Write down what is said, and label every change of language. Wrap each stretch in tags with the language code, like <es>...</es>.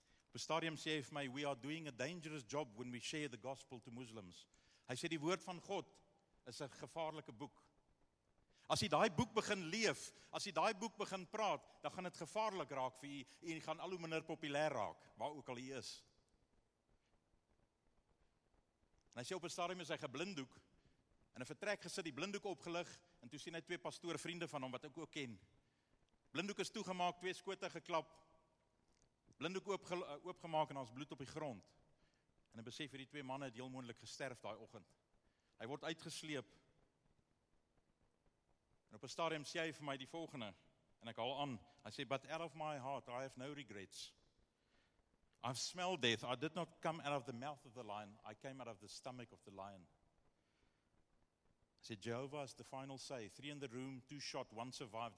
<af>Op die stadium sê hy vir my,</af> <en>we are doing a dangerous job when we share the gospel to Muslims.</en> <af>Hy sê die woord van God is 'n gevaarlike boek. As jy daai boek begin leef, as jy daai boek begin praat, dan gaan dit gevaarlik raak vir jy en jy gaan al hoe minder populêr raak, waar ook al jy is. En hy sê op 'n stadium is hy geblinddoek, in 'n vertrek gesit, die blinddoek opgelig, en toe sien hy 2 pastoor vriende van hom, wat ek ook ken. Blinddoek is toegemaak, 2 skote geklap, blinddoek oopgemaak en ons bloed op die grond. En hy besef hierdie 2 manne het heel moontlik gesterf daai oggend. Hy word uitgesleep, en op 'n stadium sê hy vir my die volgende, en ek haal aan, hy sê,</af> <en>but out of my heart, I have no regrets. I've smelled death. I did not come out of the mouth of the lion. I came out of the stomach of the lion. I said, Jehovah is the final say. Three in the room, two shot, one survived.</en>